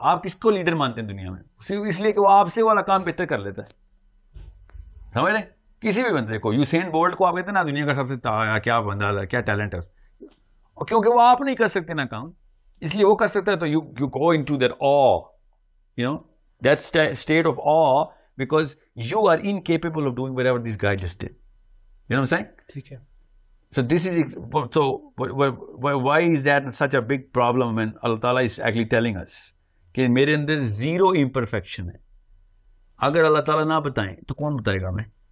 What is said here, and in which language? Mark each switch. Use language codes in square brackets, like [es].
[ur] آپ کس کو لیڈر مانتے ہیں دنیا میں؟ اس لیے کہ وہ آپ سے والا کام بہتر کر لیتا ہے, سمجھ رہے؟ کسی بھی بندے کو, یوسین بولٹ کو آپ کہتے ہیں نا دنیا کا سب سے کیا بندہ ہے, کیا ٹیلنٹ ہے, اور کیونکہ وہ آپ نہیں کر سکتے نا کام, اس لیے وہ کر سکتا ہے. تو [en] You go into that uh, you know that state of uh, because you are incapable of doing whatever this guy just did, you know what I am saying? [ur] ٹھیک ہے. [en] So this is, so why is that such a big problem when Allah Ta'ala is actually telling us [ur] کہ میرے اندر [en] zero imperfection ہے. [ur] اگر اللہ تعالیٰ نہ بتائیں تو کون بتائے گا ہمیں؟